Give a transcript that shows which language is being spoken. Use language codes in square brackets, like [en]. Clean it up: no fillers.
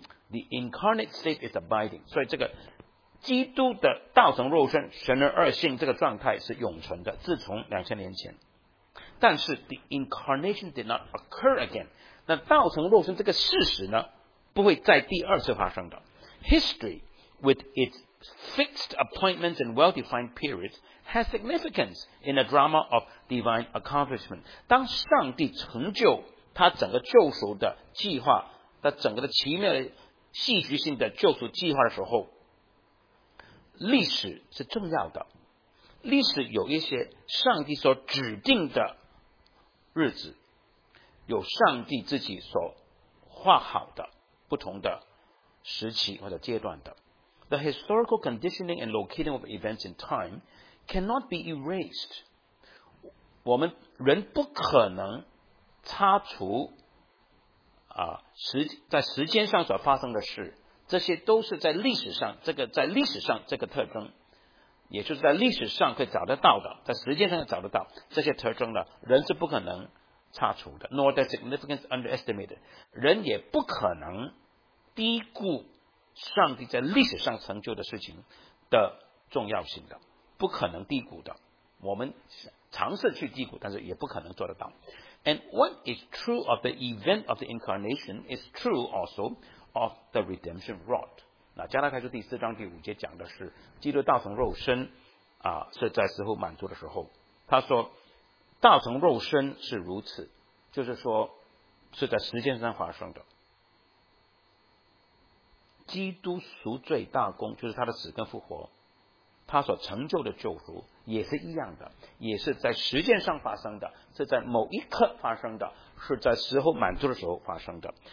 [en] The incarnate state is abiding， [zh] 所以这个基督的道成肉身神人二性这个状态是永存的，自从2000年前。但是 [en] the incarnation did not occur again， [zh] 那道成肉身这个事实呢不会再第二次发生的。 [en] History with its fixed appointments and well-defined periods has significance in a drama of divine accomplishment。 [zh] 当上帝成就他整个救赎的计划，他整个的奇妙的戏剧性的救赎计划的时候，历史是重要的。历史有一些上帝所指定的日子，有上帝自己所画好的不同的时期或者阶段的。 [en] The historical conditioning and locating of events in time cannot be erased。 [zh] 我们人不可能擦除在时间上所发生的事，这些都是在历史上，这个在历史上这个特征，也就是在历史上可以找得到的，在时间上找得到这些特征的，人是不可能擦除的。 [en] Nor the significance underestimated， [zh] 人也不可能低估上帝在历史上成就的事情的重要性的，不可能低估的。我们尝试去低估，但是也不可能做得到。 [en] And what is true of the event of the incarnation is true also of the redemption wrought。 [zh] 那加拉太书第四章第五节讲的是基督道成肉身是在死后满足的时候，他说道成肉身是如此，就是说是在时间上发生的。基督赎罪大功就是他的死跟复活，他所成就的救赎也是一样的，也是在时间上发生的，是在某一刻发生的，是在时候满足的时候发生的。